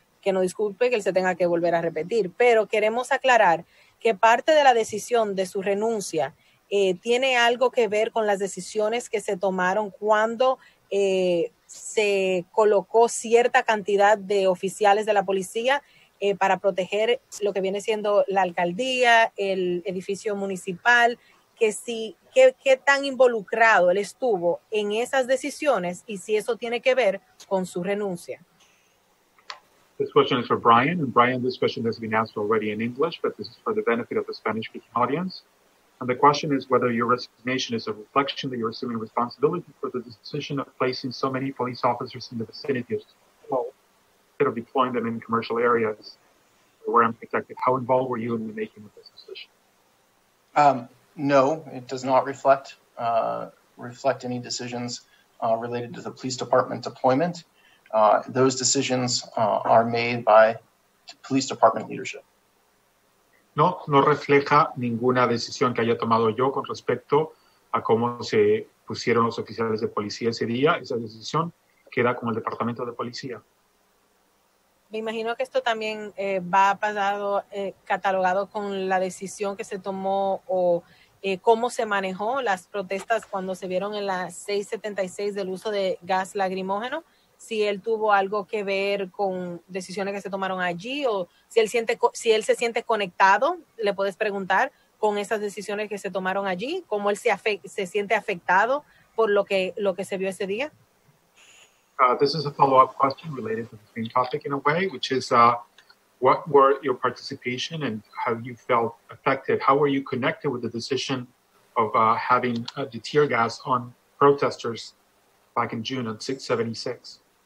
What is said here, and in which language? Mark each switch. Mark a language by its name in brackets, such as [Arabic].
[Spanish] Que no disculpe que él se tenga que volver a repetir, pero queremos aclarar que parte de la decisión de su renuncia tiene algo que ver con las decisiones que se tomaron cuando se colocó cierta cantidad de oficiales de la policía para proteger lo que viene siendo la alcaldía, el edificio municipal, qué tan involucrado él estuvo en esas decisiones y si eso tiene que ver con su renuncia. [English] This question is for Brian. And Brian, this question has been asked already in English, but this is for the benefit of the Spanish-speaking audience. And the question is whether your resignation is a reflection that you're assuming responsibility for the decision of placing so many police officers in the vicinity of of deploying them in commercial areas where I'm protected. How involved were you in the making of this decision? No, it does not reflect any decisions related to the police department deployment. Those decisions are made by police department leadership. [Spanish] No, no refleja ninguna decisión que haya tomado yo con respecto a cómo se pusieron los oficiales de policía ese día. Esa decisión queda con el Departamento de Policía. Me imagino que esto también va pasado catalogado con la decisión que se tomó o cómo se manejó las protestas cuando se vieron en la 676 del uso de gas lacrimógeno. Si él tuvo algo que ver con decisiones que se tomaron allí o si él se siente conectado, le puedes preguntar con esas decisiones que se tomaron allí, cómo él se siente afectado por lo que se vio ese día. [English] This is a follow-up question related to the same topic in a way, which is what were your participation and how you felt affected? How were you connected with the decision of having the tear gas on protesters back in June on 676?